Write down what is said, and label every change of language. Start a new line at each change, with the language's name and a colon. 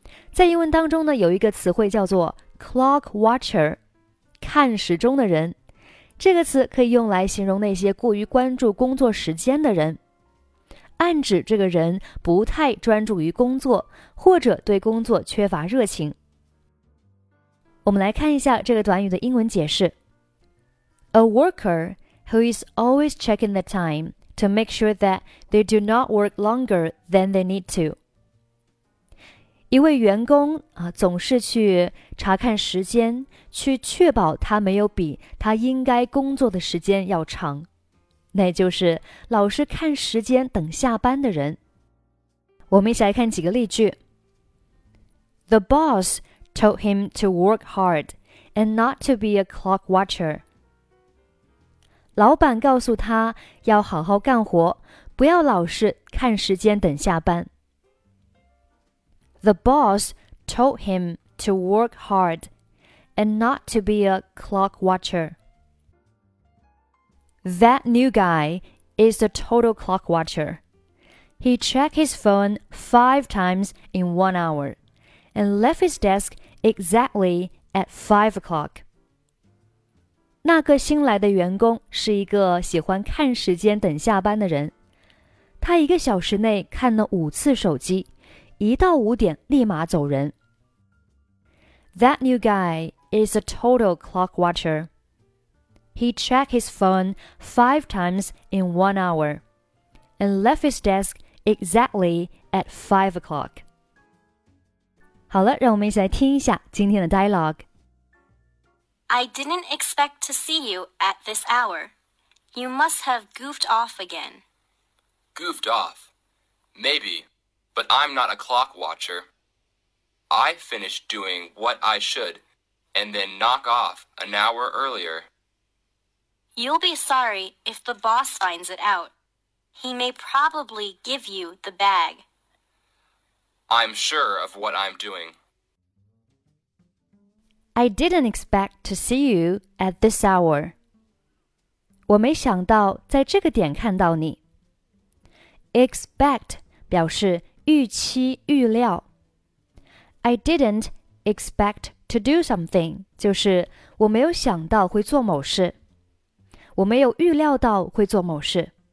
Chinese: 在英文当中呢，有一个词汇叫做 clock watcher， 看时钟的人。这个词可以用来形容那些过于关注工作时间的人，暗指这个人不太专注于工作，或者对工作缺乏热情。我们来看一下这个短语的英文解释。
English: A worker who is always checking the time to make sure that they do not work longer than they need to。
Chinese: 一位员工，总是去查看时间，去确保他没有比他应该工作的时间要长，那就是老是看时间等下班的人。我们一起来看几个例句。
English: The boss told him to work hard and not to be a clock watcher。
Chinese: 老板告诉他要好好干活，不要老是看时间等下班。
English: The boss told him to work hardand not to be a clock watcher. That new guy is a total clock watcher. He checked his phone 5 times in 1 hour and left his desk exactly at 5 o'clock.
Chinese: 那个新来的员工是一个喜欢看时间等下班的人。他一个小时内看了5次手机，一到5点立马走人。
English: That new guy is a total clock watcher. He checked his phone 5 times in 1 hour and left his desk exactly at 5 o'clock.
Chinese: 好了，让我们一起来听一下今天的 dialogue.
English: I didn't expect to see you at this hour. You must have goofed off again. Goofed off? Maybe, but I'm not a clock watcher. I finished doing what I should. And then knock off an hour earlier. You'll be sorry if the boss finds it out. He may probably give you the bag. I'm sure of what I'm doing. I didn't expect to see you at this hour.
Chinese: 我没想到在这个点看到你。 Expect 表示预期、预料。
English: I didn't expect to do something
Chinese: 就是我没有想到会做某事，我没有预料到会做某事。